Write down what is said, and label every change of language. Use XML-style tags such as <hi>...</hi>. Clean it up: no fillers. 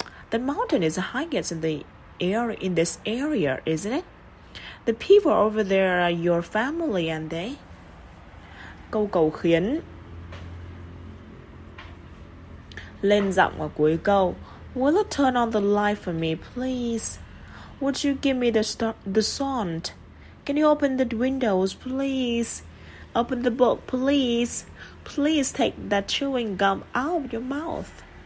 <en>The mountain is the highest in the air in this area, isn't it? The people over there are your family, aren't they?</en> <vi>Câu cầu khiến lên giọng ở cuối câu.</vi> <en>Will you turn on the light for me, please? Would you give me the sound? Can you open the windows, please? Open the book, please. Please take that chewing gum out of your mouth.</en>